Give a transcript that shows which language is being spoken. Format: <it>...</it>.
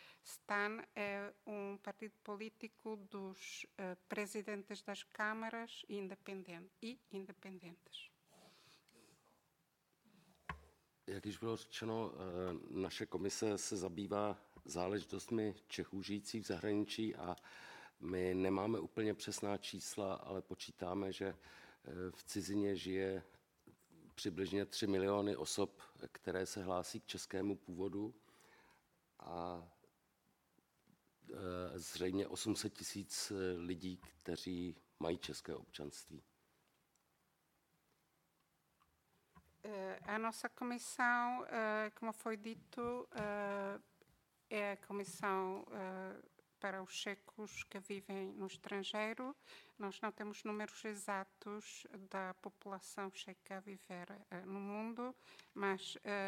<pt>Stan é um partido político dos presidentes das câmaras independentes.</pt> <cs>Jak již bylo řečeno, naše komise se zabývá záležitostmi Čechů žijících v zahraničí a my nemáme úplně přesná čísla, ale počítáme, že v cizině žije přibližně 3 miliony osob, které se hlásí k českému původu a zřejmě 800 tisíc lidí, kteří mají české občanství.</cs> <pt>A nossa comissão, como foi dito, é a comissão para os checos que vivem no estrangeiro. Nós não temos números exatos da população checa a viver no mundo, mas</pt>